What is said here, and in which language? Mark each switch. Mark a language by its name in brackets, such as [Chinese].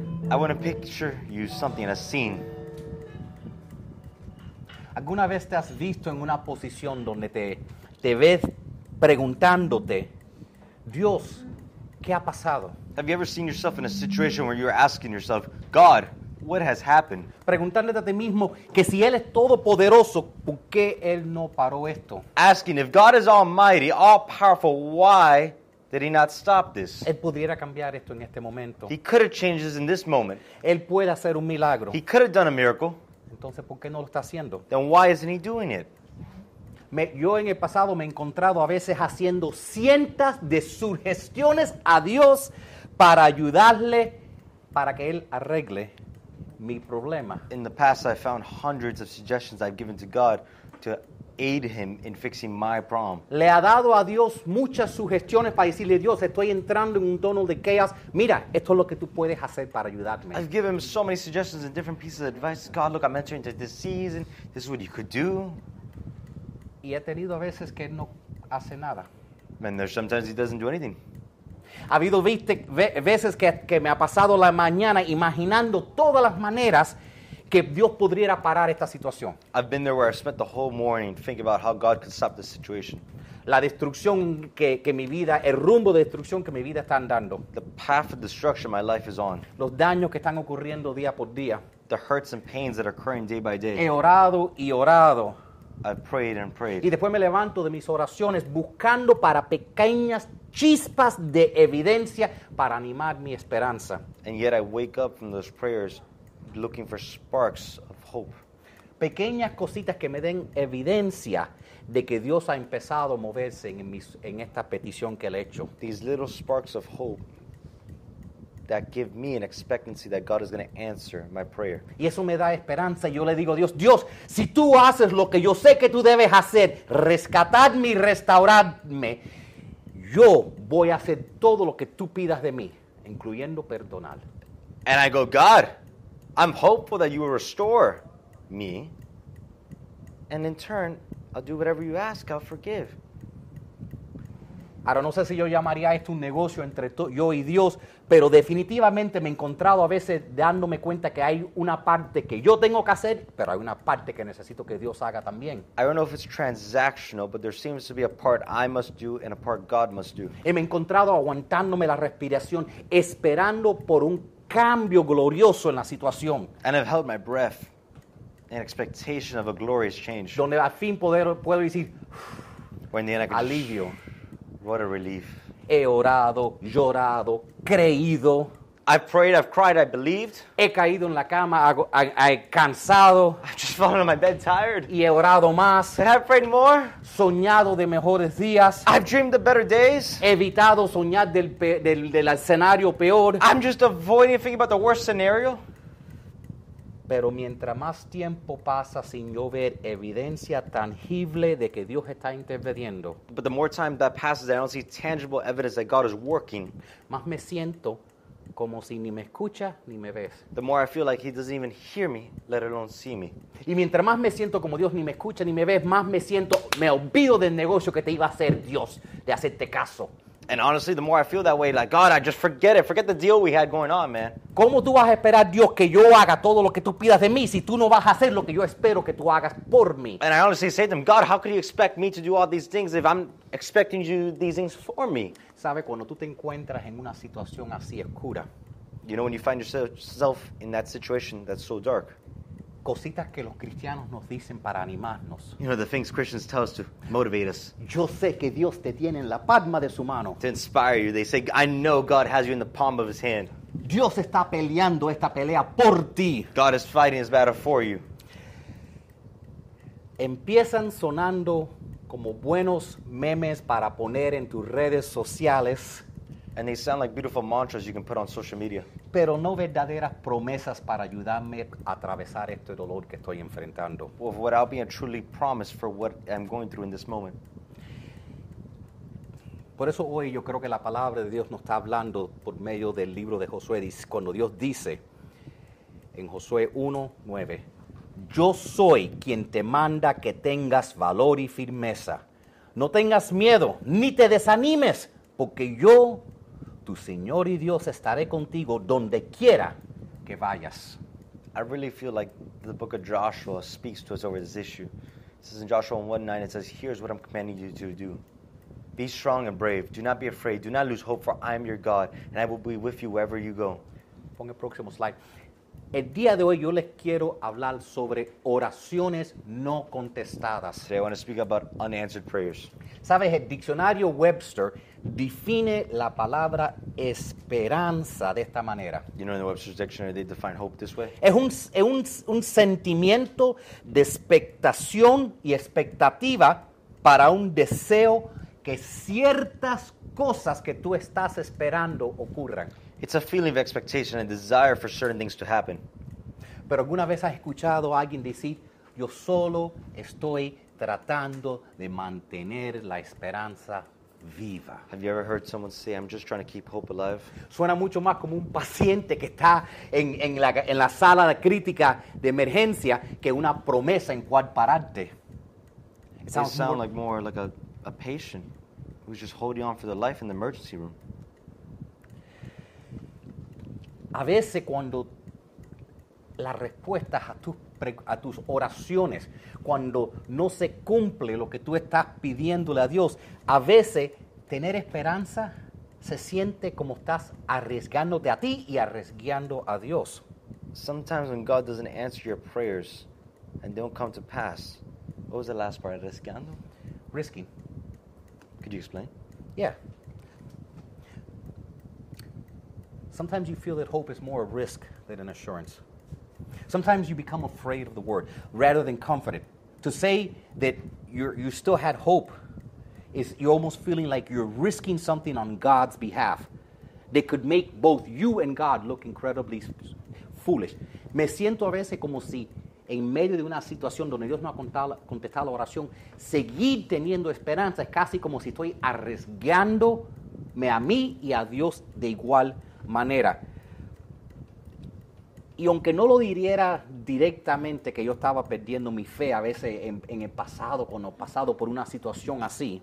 [English] I want to picture you something, a scene. [Spanish] ¿Alguna vez te has visto en una posición donde te ves preguntándote, Dios, ¿qué ha pasado? [English] Have you ever seen yourself in a situation where you're asking yourself, God, what has happened? [Spanish] Preguntándote a ti mismo que si él es todopoderoso, ¿por qué él no paró esto? [English] Asking if God is almighty, all powerful, why did he not stop this? [Spanish] Él pudiera cambiar esto en este momento. [English] He could have changed this in this moment. [Spanish] Él puede hacer un milagro. [English] He could have done a miracle. [Spanish] Entonces, ¿por qué no lo está haciendo? [English] Then why isn't he doing it? [Spanish] Yo en el pasado me he encontrado a veces haciendo cientos de sugestiones a Dios para ayudarle, para que él arregle mi problema. [English] In the past, I found hundreds of suggestions I've given to God to aid him in fixing my problem. [Spanish] Le ha dado a Dios muchas sugestiones para decirle, Dios, estoy entrando en un tono de chaos. Mira, esto es lo que tú puedes hacer para ayudarme. [English] I've given him so many suggestions and different pieces of advice. God, look, I'm entering into this season. This is what you could do. [Spanish] Y he tenido a veces que no hace nada. [English] And there's sometimes he doesn't do anything. [Spanish] Ha habido veces que me ha pasado la mañana imaginando todas las maneras que Dios pudiera parar esta situación. [English] I've been there where I spent the whole morning thinking about how God could stop this situation. [Spanish] La destrucción que mi vida, el rumbo de destrucción que mi vida está andando. [English] The path of destruction my life is on. [Spanish] Los daños que están ocurriendo día por día. [English] The hurts and pains that are occurring day by day. [Spanish] He orado y orado. [English] I've prayed and prayed. [Spanish] Y después me levanto de mis oraciones buscando para pequeñas chispas de evidencia para animar mi esperanza. [English] And yet I wake up from those prayers looking for sparks of hope. [Spanish] Pequeñas cositas que me den evidencia de que Dios ha empezado a moverse en esta petición que le he hecho. [English] These little sparks of hope that give me an expectancy that God is going to answer my prayer. [Spanish] Y eso me da esperanza. Yo le digo, Dios, Dios, si tú haces lo que yo sé que tú debes hacer, rescatarme y restaurarme, yo voy a hacer todo lo que tú pidas de mí, incluyendo perdonar. [English] And I go, God, I'm hopeful that you will restore me. And in turn, I'll do whatever you ask, I'll forgive. [Spanish] Ahora, no sé si yo llamaría esto un negocio entre yo y Dios, pero definitivamente me he encontrado a veces dándome cuenta que hay una parte que yo tengo que hacer, pero hay una parte que necesito que Dios haga también. [English] I don't know if it's transactional, but there seems to be a part I must do and a part God must do. [Spanish] Y me he encontrado aguantándome la respiración, esperando por un cambio glorioso en la situación. [English] And I've held my breath in expectation of a glorious change. [Spanish] Donde al fin puedo decir, [English] when the end I could [Spanish] alivio. [English] What a relief. [Spanish] He orado, llorado, creído. [English] I've prayed, I've cried, I've believed. [Spanish] He caído en la cama, he cansado. [English] I've just fallen on my bed tired. [Spanish] Y he orado más. [English] And I've prayed more. [Spanish] Soñado de mejores días. [English] I've dreamed of better days. [Spanish] He evitado soñar del escenario peor. [English] I'm just avoiding thinking about the worst scenario. [Spanish] Pero mientras más tiempo pasa sin yo ver evidencia tangible de que Dios está interviniendo. [English] But the more time that passes, I don't see tangible evidence that God is working. [Spanish] Más me siento como si ni me escucha ni me ves. [English] The more I feel like he doesn't even hear me, let alone see me. [Spanish] Y mientras más me siento como Dios ni me escucha ni me ves, más me siento, me olvido del negocio que te iba a hacer Dios, de hacerte caso. [English] And honestly, the more I feel that way, like, God, I just forget it. Forget the deal we had going on, man. [Spanish] ¿Cómo tú vas a esperar, Dios, que yo haga todo lo que tú pidas de mí si tú no vas a hacer lo que yo espero que tú hagas por mí? [English] And I honestly say to him, God, how could you expect me to do all these things if I'm expecting you to do these things for me? [Spanish] ¿Sabe cuando tú te encuentras en una situación así oscura? [English] You know, when you find yourself in that situation that's so dark. [Spanish] Cositas que los cristianos nos dicen para animarnos. [English] You know, the things Christians tell us to motivate us. [Spanish] Yo sé que Dios te tiene en la palma de su mano. [English] To inspire you, they say, I know God has you in the palm of his hand. [Spanish] Dios está peleando esta pelea por ti. [English] God is fighting his battle for you. [Spanish] Empiezan sonando como buenos memes para poner en tus redes sociales. [English] And they sound like beautiful mantras you can put on social media. [Spanish] Pero no verdaderas promesas para ayudarme a atravesar este dolor que estoy enfrentando. [English] Without being truly promised for what I'm going through in this moment. [Spanish] Por eso hoy yo creo que la palabra de Dios nos está hablando por medio del libro de Josué. Cuando Dios dice en Josué 1:9, yo soy quien te manda que tengas valor y firmeza. No tengas miedo ni te desanimes, porque yo, tu Señor y Dios, estaré contigo donde quiera que vayas. [English] I really feel like the book of Joshua speaks to us over this issue. It says in Joshua 1:9, it says, here's what I'm commanding you to do. Be strong and brave. Do not be afraid. Do not lose hope, for I am your God, and I will be with you wherever you go. [Spanish] Ponga el próximo slide. El día de hoy yo les quiero hablar sobre oraciones no contestadas. [English] Today I want to speak about unanswered prayers. [Spanish] Sabes, el diccionario Webster define la palabra esperanza de esta manera. [English] You know, in the Webster's dictionary, they define hope this way. [Spanish] Es un sentimiento de expectación y expectativa para un deseo que ciertas cosas que tú estás esperando ocurran. [English] It's a feeling of expectation and desire for certain things to happen. [Spanish] Pero alguna vez has escuchado a alguien decir, yo solo estoy tratando de mantener la esperanza viva. [English] Have you ever heard someone say, I'm just trying to keep hope alive? [Spanish] Suena mucho más como un paciente que está en la sala de crítica de emergencia que una promesa en cual pararte. [English] It sounds more like a patient who's just holding on for their life in the emergency room. [Spanish] A veces cuando las respuestas a tus oraciones, cuando no se cumple lo que tú estás pidiéndole a Dios, a veces tener esperanza se siente como estás arriesgándote a ti y arriesgando a Dios. [English] Sometimes when God doesn't answer your prayers and they don't come to pass, what was the last part? [Spanish] Arriesgando? [English] Risking. Could you explain? Yeah. Sometimes you feel that hope is more a risk than an assurance. Sometimes you become afraid of the word rather than confident. To say that you still had hope is you're almost feeling like you're risking something on God's behalf that could make both you and God look incredibly foolish. [Spanish] Me siento a veces como si en medio de una situación donde Dios no ha contestado la oración, seguir teniendo esperanza es casi como si estoy arriesgándome a mí y a Dios de igual manera. Y aunque no lo diría directamente que yo estaba perdiendo mi fe a veces en el pasado, cuando he pasado por una situación así.